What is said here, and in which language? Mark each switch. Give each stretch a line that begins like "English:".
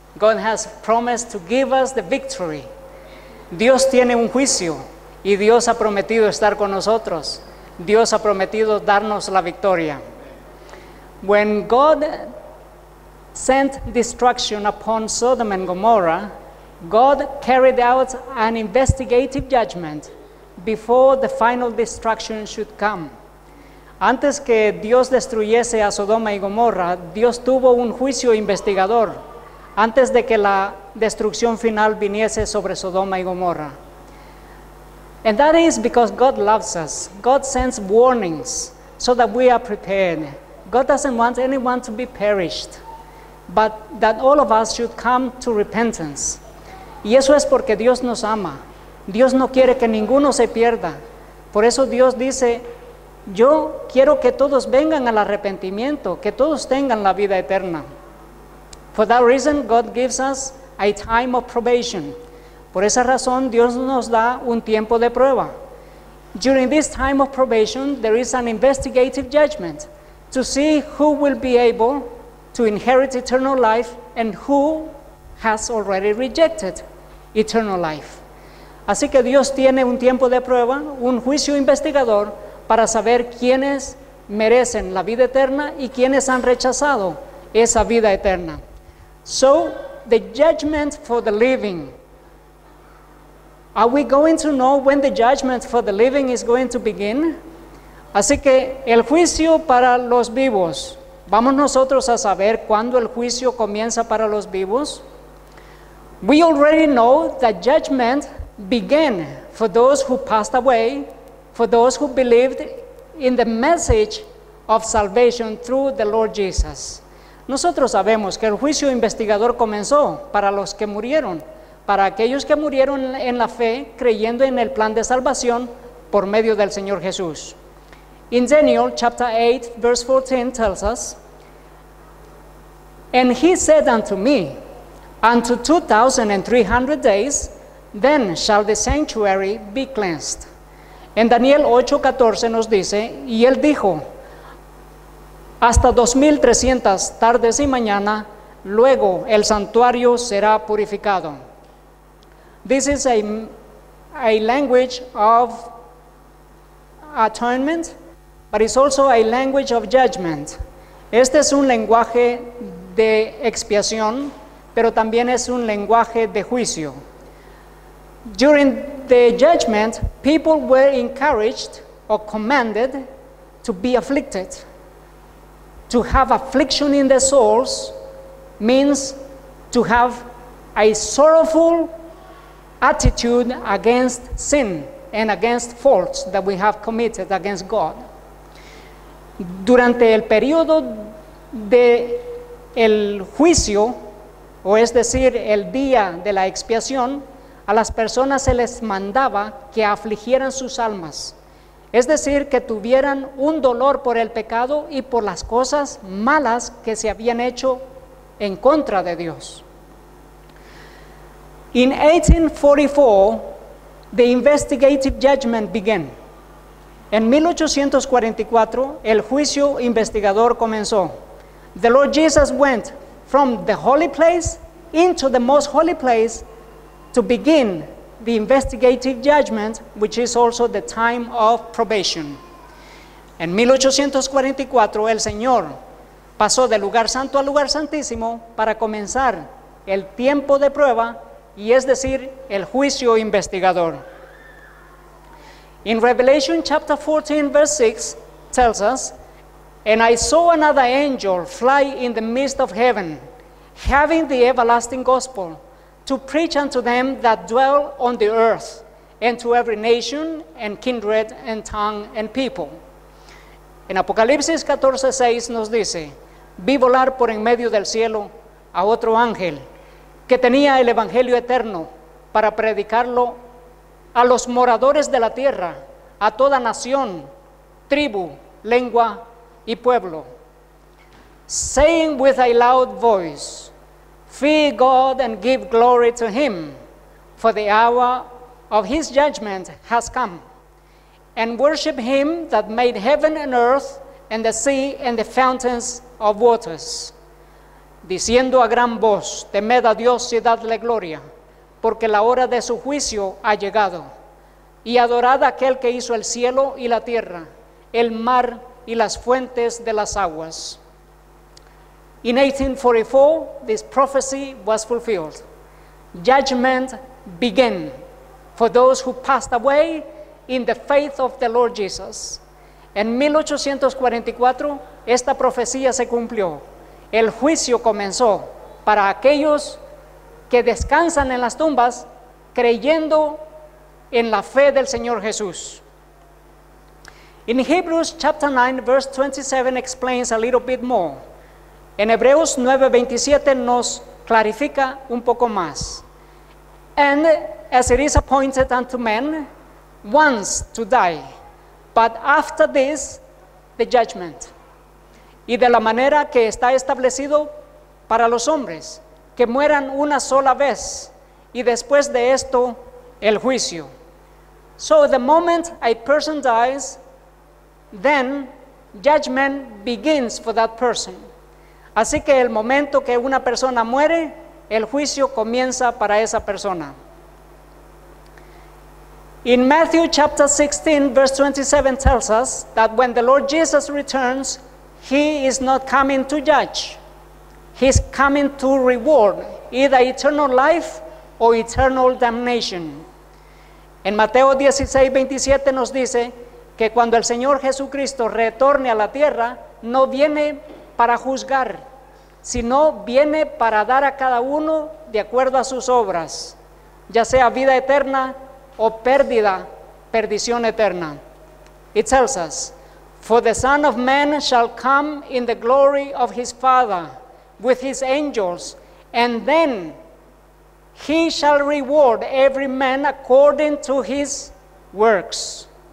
English: God has promised to give us the victory.
Spanish: Dios tiene un juicio y Dios ha prometido estar con nosotros. Dios ha prometido darnos la victoria.
English: When God sent destruction upon Sodom and Gomorrah, God carried out an investigative judgment before the final destruction should come.
Spanish: Antes que Dios destruyese a Sodoma y Gomorra, Dios tuvo un juicio investigador antes de que la destrucción final viniese sobre Sodoma y Gomorra.
English: And that is because God loves us. God sends warnings so that we are prepared. God doesn't want anyone to be perished, but that all of us should come to repentance.
Spanish: Y eso es porque Dios nos ama. Dios no quiere que ninguno se pierda. Por eso Dios dice, yo quiero que todos vengan al arrepentimiento, que todos tengan la vida eterna.
English: For that reason, God gives us a time of probation.
Spanish: Por esa razón, Dios nos da un tiempo de prueba.
English: During this time of probation, there is an investigative judgment to see who will be able to inherit eternal life and who has already rejected eternal life.
Spanish: Así que Dios tiene un tiempo de prueba, un juicio investigador, para saber quiénes merecen la vida eterna y quiénes han rechazado esa vida eterna.
English: So, the judgment for the living. Are we going to know when the judgment for the living is going to begin?
Spanish: Así que, el juicio para los vivos. ¿Vamos nosotros a saber cuándo el juicio comienza para los vivos?
English: We already know that judgment began for those who passed away, for those who believed in the message of salvation through the Lord Jesus.
Spanish: Nosotros sabemos que el juicio investigador comenzó para los que murieron, para aquellos que murieron en la fe, creyendo en el plan de salvación por medio del Señor Jesús.
English: In Daniel chapter 8, verse 14 tells us, and he said unto me, unto 2,300 days, then shall the sanctuary be cleansed.
Spanish: En Daniel 8:14 nos dice, y él dijo, hasta 2,300 tardes y mañana, luego el santuario será purificado.
English: This is a language of atonement, but it's also a language of judgment.
Spanish: Este es un lenguaje de expiación, pero también es un lenguaje de juicio.
English: During the judgment, people were encouraged or commanded to be afflicted. To have affliction in their souls means to have a sorrowful attitude against sin and against faults that we have committed against God.
Spanish: Durante el periodo de el juicio, o es decir, el día de la expiación, a las personas se les mandaba que afligieran sus almas. Es decir, que tuvieran un dolor por el pecado y por las cosas malas que se habían hecho en contra de Dios.
English: In 1844, the investigative judgment began.
Spanish: En 1844, el juicio investigador comenzó.
English: The Lord Jesus went from the holy place into the most holy place to begin the investigative judgment, which is also the time of probation.
Spanish: En 1844, el Señor pasó del lugar santo al lugar santísimo para comenzar el tiempo de prueba, y es decir, el juicio investigador.
English: In Revelation chapter 14, verse 6, tells us, and I saw another angel fly in the midst of heaven, having the everlasting gospel, to preach unto them that dwell on the earth, and to every nation, and kindred, and tongue, and people.
Spanish: En Apocalipsis 14:6 nos dice, vi volar por en medio del cielo a otro ángel, que tenía el evangelio eterno para predicarlo a los moradores de la tierra, a toda nación, tribu, lengua, y pueblo,
English: saying with a loud voice, Fear God and give glory to Him, for the hour of His judgment has come. And worship Him that made heaven and earth and the sea and the fountains of waters.
Spanish: Diciendo a gran voz, temed a Dios y dadle gloria, porque la hora de su juicio ha llegado. Y adorad a aquel que hizo el cielo y la tierra, el mar y las fuentes de las aguas.
English: In 1844, this prophecy was fulfilled. Judgment began for those who passed away in the faith of the Lord Jesus.
Spanish: En 1844, esta profecía se cumplió. El juicio comenzó para aquellos que descansan en las tumbas creyendo en la fe del Señor Jesús.
English: In Hebrews chapter 9, verse 27 explains a little bit more.
Spanish: En Hebreos 9:27 nos clarifica un poco más.
English: And as it is appointed unto men once to die, but after this, the judgment.
Spanish: Y de la manera que está establecido para los hombres, que mueran una sola vez, y después de esto, el juicio.
English: So the moment a person dies, then judgment begins for that person.
Spanish: Así que el momento que una persona muere, el juicio comienza para esa persona.
English: In Matthew chapter 16, verse 27 tells us that when the Lord Jesus returns, He is not coming to judge. He's coming to reward either eternal life or eternal damnation.
Spanish: En Mateo 16, 27 nos dice que cuando el Señor Jesucristo retorne a la tierra, no viene para juzgar, sino viene para dar a cada uno de acuerdo a sus obras, ya sea vida eterna o pérdida, perdición eterna.
English: It tells us, for the Son of Man shall come in the glory of His Father with His angels, and then He shall reward every man according to his works.